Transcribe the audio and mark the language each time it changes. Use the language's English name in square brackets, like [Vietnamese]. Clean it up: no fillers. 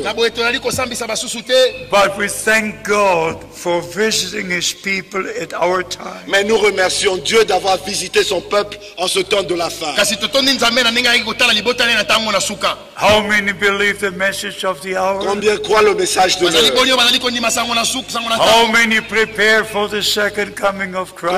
[English] But we thank God for visiting his people at our time. [French] Mais nous remercions Dieu d'avoir visité son peuple en ce temps de la fin. [English] How many believe the message of the hour? [French] Combien croient le message de l'heure? [English] How many prepare for the second coming of Christ?